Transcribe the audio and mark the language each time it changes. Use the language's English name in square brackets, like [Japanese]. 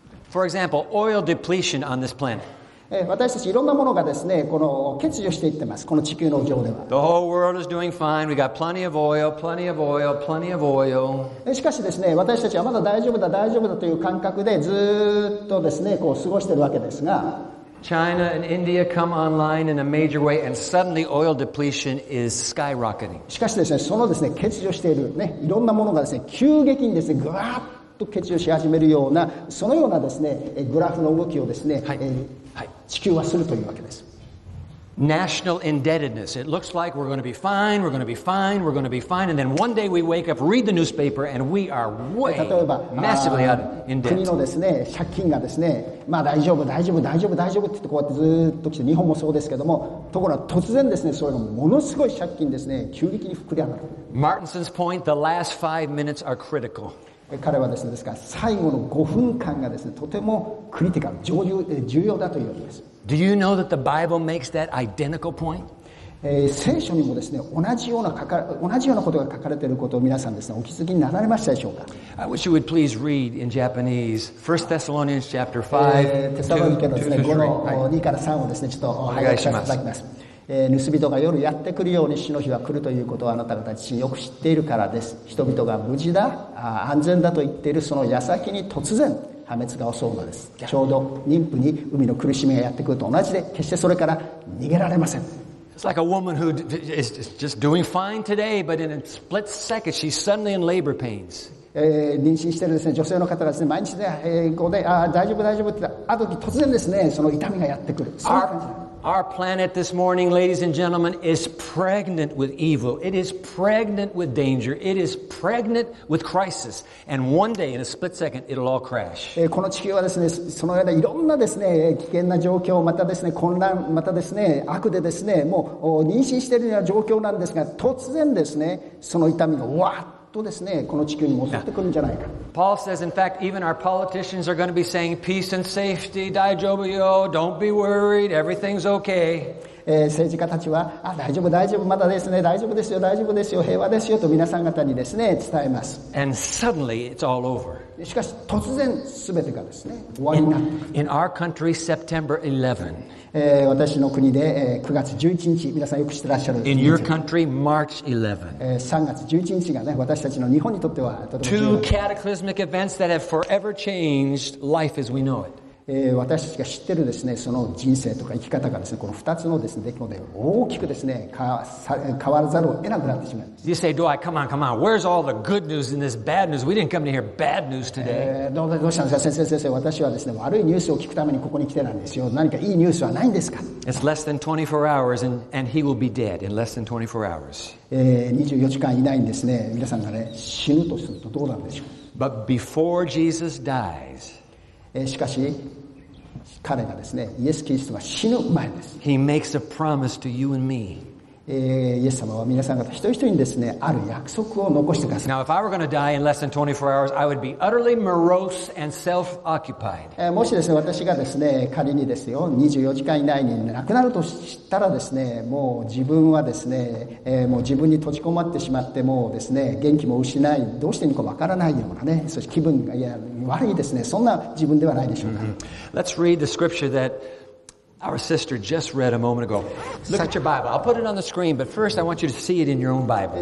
[English] For example, oil depletion on this planet. [Japanese] 私たちいろんなものがですね、この欠如していってます、この地球の上では。 [English] The whole world is doing fine. We got plenty of oil, plenty of oil, plenty of oil. [Japanese] しかしですね、私たちはまだ大丈夫だ、大丈夫だという感覚でずっとですね、こう過ごしているわけですが。 [English] China and India come online in a major way, and suddenly oil depletion is skyrocketing. [Japanese] しかしですね、そのですね、欠如しているね、いろんなものがですね、急激にですね、ぐわっと欠如し始めるような、そのようなですね、グラフの動きをですね、はい地球はするというわけです。 [English] National indebtedness. It looks like we're going to be fine, we're going to be fine, we're going to be fine, and then one day we wake up, read the newspaper, and we are way, massively out of in debt. [Japanese] 国のですね、借金がですね、まあ大丈夫、大丈夫、大丈夫、大丈夫ってこうやってずっと来て、日本もそうですけども、ところが突然ですね、それがものすごい借金ですね、急激に膨れ上がる。 [English] Martinson's point, the last 5 minutes are critical. [Japanese] 彼はですね、ですから最後の5分間がですね、とてもクリティカル、重要だというわけです。 [English] Do you know that the Bible makes that identical point? [Japanese] 聖書にもですね、同じようなことが書かれていることを皆さんですね、お気づきになられましたでしょうか。 [English] I wish you would please read in Japanese, 1 Thessalonians chapter 5, 2, 2, 3. [Japanese] 5-2から3をですね、ちょっとお願いしていただきます。盗人が夜やってくるように死の日は来るということをあなた方自身よく知っているからです。人々が無事だ、安全だと言っているその矢先に突然破滅が襲うのです。ちょうど妊婦に海の苦しみがやってくると同じで、決してそれから逃げられません。 [English] It's like a woman who is just doing fine today, but in a split second, she's suddenly in labor pains. [Japanese] 妊娠しているです、ね、女性の方がです、ね、毎日、ね、平行であ大丈夫大丈夫って言った後突然です、ね、その痛みがやってくる。そういう感じ。 [English] Our planet this morning, ladies and gentlemen, is pregnant with evil. It is pregnant with danger. It is pregnant with crisis. And one day, in a split second, it'll all crash. [Japanese] この地球はですね、そのようないろんなですね、危険な状況、またですね、混乱、またですね、悪でですね、もう妊娠しているような状況なんですが、突然ですね、その痛みがわーっとですね、この地球に襲ってくるんじゃないか。 [English] Paul says, in fact, even our politicians are going to be saying, peace and safety, [Japanese] 大丈夫よ、 [English] don't be worried, everything's okay. [Japanese] 政治家たちは、あ、大丈夫、大丈夫、まだですね、大丈夫ですよ、大丈夫ですよ、平和ですよと皆さん方にですね、伝えます。 [English] And suddenly, it's all over. [Japanese] しかし、突然、全てがですね、終わりになってくる。 [English] In our country, September 11. [Japanese] 私の国で、9月11日、皆さんよく知ってらっしゃる。 [English] In your country, March 11. [Japanese] 3月11日がね、私たちの日本にとってはとても重要です。 [English] Two cataclysmic events that have forever changed life as we know it. [Japanese] 私たちが知ってるですね、その人生とか生き方がですね、この2つのですね、出来事で大きくですね、変わらざるを得なくなってしまいます。 [English] You say, do I? Come on, come on. Where's all the good news in this bad news? We didn't come to hear bad news today. [Japanese] どうしたんですか、先生。私はですね、悪いニュースを聞くためにここに来てなんですよ。何かいいニュースはないんですか。 [English] It's less than 24 hours, and he will be dead in less than 24 hours. [Japanese] 24時間以内にですね、皆さんがね、死ぬとするとどうなんでしょう。 [English] But before Jesus dies, [Japanese] しかし彼がですね、イエス・キリストが死ぬ前です。 [English] He makes a promise to you and me. [Japanese] イエス様は皆さん方一人一人にですね、ある約束を残してください。 [English] Now, if I were going to die in less than 24 hours, I would be utterly morose and self-occupied. [Japanese] もしですね、私がですね、仮にですよ、24時間以内に亡くなるとしたらですね、もう自分はですね、もう自分に閉じこもってしまって、もうですね、元気も失い、どうしていいかわからないようなね、そして気分が、いや、悪いですね。そんな自分ではないでしょうか。 Mm-hmm. [English] Let's read the scripture that our sister just read a moment ago. Look at your Bible. I'll put it on the screen, but first I want you to see it in your own Bible.